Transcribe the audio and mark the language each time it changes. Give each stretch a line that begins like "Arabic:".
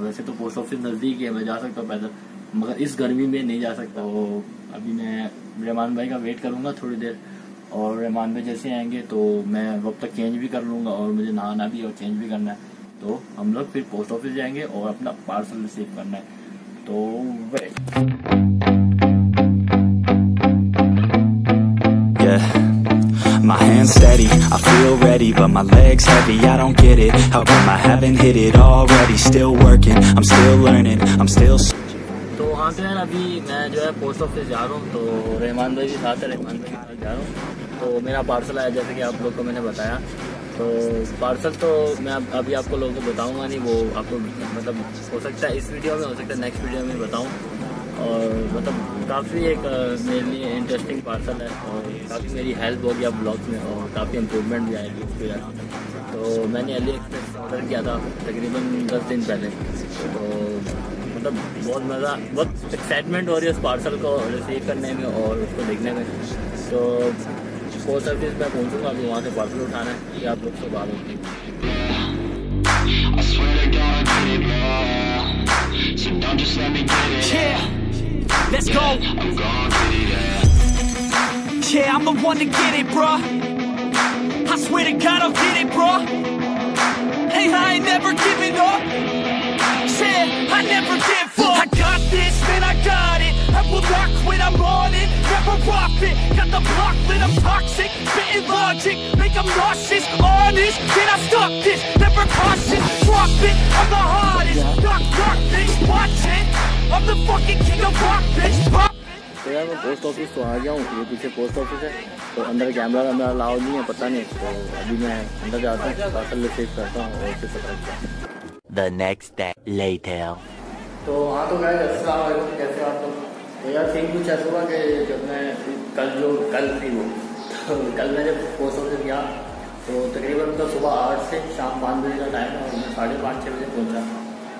Hindi: वैसे तो post office नज़दीक है, मैं जा सकता हूँ पैदल, मगर इस गर्मी में नहीं जा सकता। वो अभी मैं रहमान भाई का वेट करूँगा थोड़ी देर, और रहमान भाई जैसे आएंगे तो मैं वक्त तक चेंज भी कर लूँगा, और मुझे नहाना भी और चेंज भी करना है। तो हम लोग फिर पोस्ट ऑफिस जाएंगे और अपना पार्सल रिसीव करना है। तो wait.
English: My hand's steady, I feel ready, but my leg's heavy, I don't get it. How come I haven't hit it already? Still working, I'm still learning, I'm still...
Hindi: तो हाँ sir, अभी मैं जो है post office जा रहा हूँ, तो रहमान भाई भी साथ है। रहमान भाई जा रहा हूँ, तो मेरा पार्सल आया, जैसे कि आप लोग को मैंने बताया। तो पार्सल तो मैं अभी आपको लोगों को बताऊँगा नहीं, वो आपको मतलब हो सकता है इस वीडियो में, हो सकता है नेक्स्ट वीडियो में बताऊँ। और मतलब काफ़ी एक मेरे लिए इंटरेस्टिंग पार्सल है, और काफ़ी मेरी हेल्प होगी अब ब्लॉग में, और काफ़ी इम्प्रूवमेंट भी आएगी उसके बाद। तो मैंने अली एक्सप्रेस ऑर्डर किया था तकरीबन 10 दिन पहले, तो मतलब बहुत मज़ा, बहुत एक्साइटमेंट हो रही है उस पार्सल को रिसीव करने में और उसको देखने में। तो पोस्ट ऑफिस मैं पहुँचूँगा अभी, वहाँ से पार्सल उठाना है, या आप लोग से बात होती है।
English: Let's go. Yeah, I'm the one to get it, bro. I swear to God, I'll get it, bro. Hey, I ain't never giving up. Yeah, I never give up. I got this, man, I got it. I will not quit, I'm on it. Never profit. Got the block lit, I'm toxic. Spitting logic, make them nauseous. Honest, can I stop this? Never cautious, drop it. I'm the hardest. Dark, dark things watching.
Hindi: तो यार मैं post office तो आ गया हूँ, ये पीछे post office है, तो अंदर कैमरा वैमरा अलाउ नहीं है, पता नहीं। तो अभी मैं अंदर जाता हूँ, पार्सल रिसीव करता हूँ और फिर पता चलता है।
English: The next day later.
Hindi: तो हाँ, तो गाइस अस्सलाम वालेकुम, कैसे आप लोग? तो यार सेम कुछ ऐसा हुआ कि जब मैं कल मैं जब पोस्ट ऑफिस गया, तो तकरीबन तो सुबह 8 से शाम 5 बजे का टाइम था, और मैं 5:30-6 बजे पहुँचा।